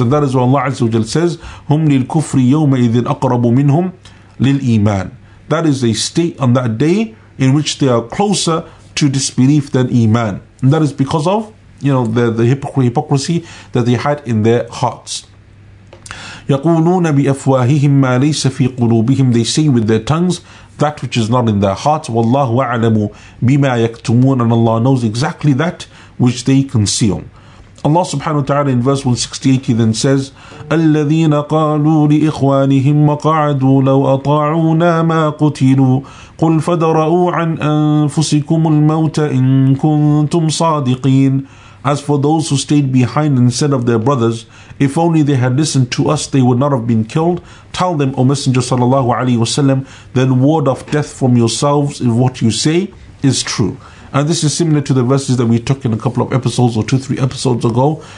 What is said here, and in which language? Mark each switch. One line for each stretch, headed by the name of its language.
English: And that is why Allah Azza wa Jalla says,
Arabic: هُمْ لِلْكُفْرِ يَوْمَئِذٍ أَقْرَبُ مِنْهُمْ لِلْإِيمَانِ.
English: That is a state on that day in which they are closer to disbelief than iman, and that is because of, you know, the hypocrisy that they had in their hearts.
Arabic: يقولون بأفواههم ما ليس في قلوبهم.
English: They say with their tongues that which is not in their hearts.
Arabic: والله أعلم بما يكتمون.
English: And Allah knows exactly that which they conceal. Allah subhanahu wa ta'ala in verse 168 he then says,
Arabic: الَّذِينَ قَالُوا لِإِخْوَانِهِمْ مَقَعَدُوا لَوْ أَطَاعُونَا مَا قُتِلُوا قُلْ فَدَرَؤُوا عَنْ أَنفُسِكُمُ الْمَوْتَ إِن كُنْتُمْ صَادِقِينَ.
English: As for those who stayed behind and said of their brothers, if only they had listened to us, they would not have been killed. Tell them, O Messenger sallallahu alayhi wa sallam, then ward off death from yourselves if what you say is true. And this is similar to the verses that we took in a couple of episodes or two, three episodes ago.